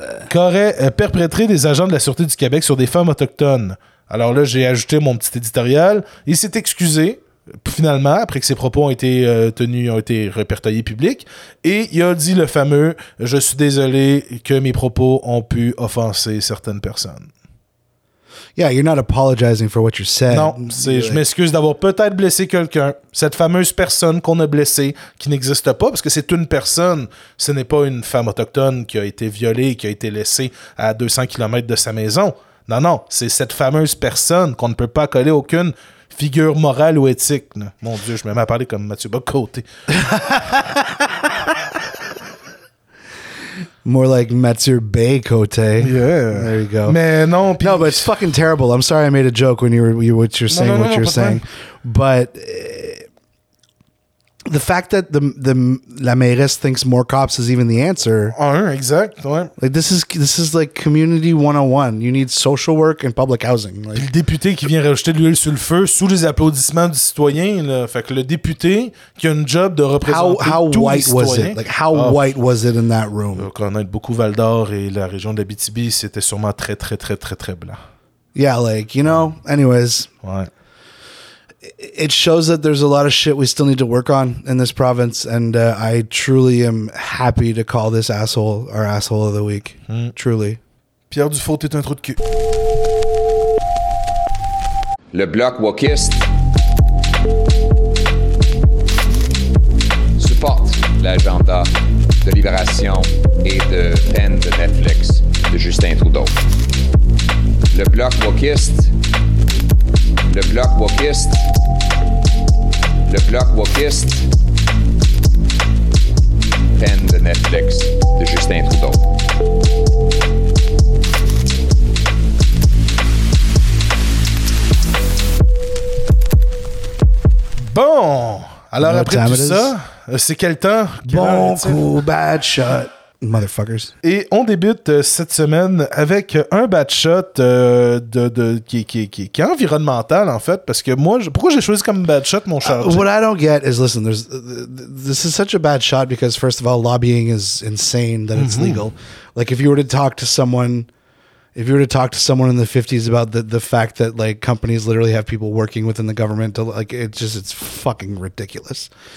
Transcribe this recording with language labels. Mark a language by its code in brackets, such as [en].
[fr] Qu'aurait perpétré des agents de la Sûreté du Québec sur des femmes autochtones. Alors là, j'ai ajouté mon petit éditorial. Il s'est excusé, finalement, après que ses propos ont été tenus, ont été répertoriés publics. Et il a dit le fameux « Je suis désolé que mes propos ont pu offenser certaines personnes ». [en] Yeah, you're not apologizing for what you said. [fr] Non, je m'excuse d'avoir peut-être blessé quelqu'un. Cette fameuse personne qu'on a blessée, qui n'existe pas, parce que c'est une personne, ce n'est pas une femme autochtone qui a été violée, qui a été laissée à 200 km de sa maison. Non, c'est cette fameuse personne qu'on ne peut pas coller aucune figure morale ou éthique. Là. Mon Dieu, je me mets à parler comme Mathieu Bock-Côté. [en] More like Mathieu Bay-Côté. Yeah. There you go. [fr] Mais non, pis... [en] No, but it's fucking terrible. I'm sorry I made a joke when you were what you're saying. But the fact that the [fr] la mairesse [en] thinks more cops is even the answer. [fr] Exact. [en] Like this is like community 101. You need social work and public housing. Like, [fr] le député qui vient rajouter de l'huile sur le feu sous les applaudissements du citoyen, là. Fait que le député qui a une job de représenter [en] how white was it in that room? [fr] Connaître beaucoup Val d'Or et la région de l'Abitibi, c'était sûrement très très très très très blanc. [en] Yeah, like, you know, anyways. [fr] Ouais. [en] It shows that there's a lot of shit we still need to work on in this province, and I truly am happy to call this asshole our asshole of the week. Mm. Truly. [fr] Pierre Dufault, t'es un trou de cul. Le Bloc wokiste supporte l'agenda de libération et de peine de Netflix de Justin Trudeau. Le Bloc wokiste. Le Bloc wokiste. Le Bloc wokiste. Peine de Netflix de Justin Trudeau. Bon! Alors après tout ça, c'est quel temps? Bon coup, [en] bad shot. Motherfuckers. [fr] Et on débute cette semaine avec un bad shot qui est environnemental, en fait, parce que moi, pourquoi j'ai choisi comme bad shot mon chat? [en] What I don't get is, listen, there's this is such a bad shot because, first of all, lobbying is insane that it's legal. Like, if you were to talk to someone in the 50s about the fact that, like, companies literally have people working within the government, to, like, it's fucking ridiculous.